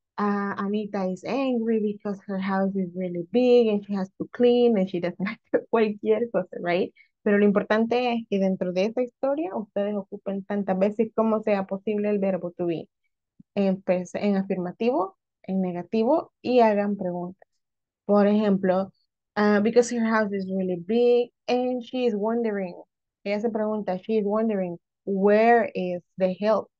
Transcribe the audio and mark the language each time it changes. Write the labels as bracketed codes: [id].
[en] Anita is angry because her house is really big and she has to clean and she doesn't like [es] cualquier cosa, [en] right? [es] Pero lo importante es que dentro de esa historia ustedes ocupen tantas veces como sea posible el verbo to be. En afirmativo, en negativo y hagan preguntas. Por ejemplo, [en] because her house is really big and she is wondering. [es] Ella se pregunta, [en] she is wondering, where is the help?